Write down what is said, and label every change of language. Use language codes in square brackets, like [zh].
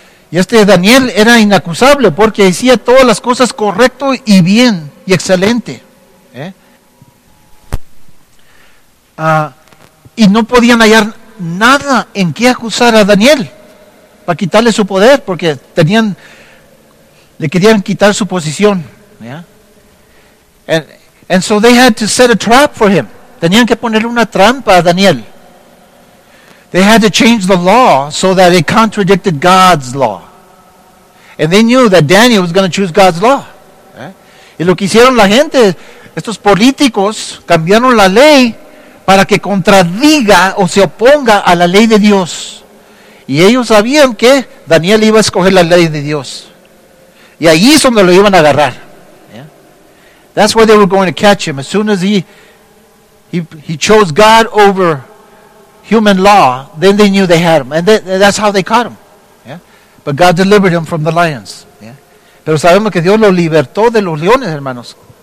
[es] Y este Daniel era inacusable porque hacía todas las cosas correcto y bien y excelente. Y no podían hallar nada en qué acusar a Daniel para quitarle su poder porque le querían quitar su posición. Yeah. [en] And so they had to set a trap for him. [es] Tenían que ponerle una trampa a Daniel. [en] They had to change the law so that it contradicted God's law. And they knew that Daniel was going to choose God's law. Yeah. [es] Y lo que hicieron la gente, estos políticos, cambiaron la ley para que contradiga o se oponga a la ley de Dios. Y ellos sabían que Daniel iba a escoger la ley de Dios. Y ahí es donde lo iban a agarrar. Yeah. [en] That's where they were going to catch him. As soon as he chose God over human law, then they knew they had him. And that's how they caught him. Yeah. But God delivered him from the lions. Yeah. [es] Pero sabemos que Dios lo libertó de los leones, hermanos.